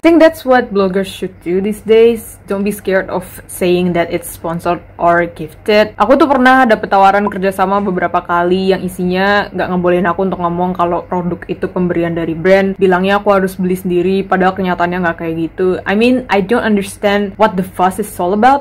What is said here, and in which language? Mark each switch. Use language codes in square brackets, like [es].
[en] I think that's what bloggers should do these days. Don't be scared of saying that it's sponsored or gifted. [id] Aku tuh pernah dapet tawaran kerjasama beberapa kali yang isinya gak ngebolehin aku untuk ngomong kalau produk itu pemberian dari brand. Bilangnya aku harus beli sendiri, padahal kenyataannya gak kayak gitu. [en] I mean, I don't understand what the fuss is all about.